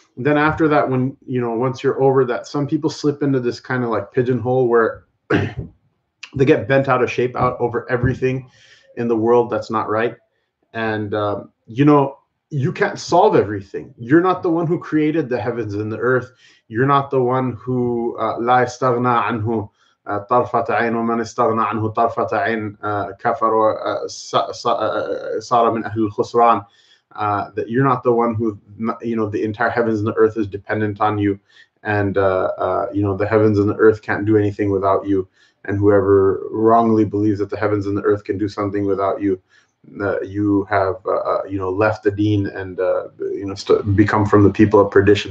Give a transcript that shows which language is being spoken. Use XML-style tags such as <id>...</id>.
<en>Then after that, once you're over that, some people slip into this kind of like pigeonhole where they get bent out of shape out over everything in the world that's not right. And, you can't solve everything. You're not the one who created the heavens and the earth. You're not the one who</en> <ar>la istaghna anhu طرفت عين ومن استغنى عنه طرفة عين كفر صار من أهل الخسران.</ar> <en>That you're not the one who, the entire heavens and the earth is dependent on you, and the heavens and the earth can't do anything without you, and whoever wrongly believes that the heavens and the earth can do something without you, you have left the deen and become from the people of perdition.</en>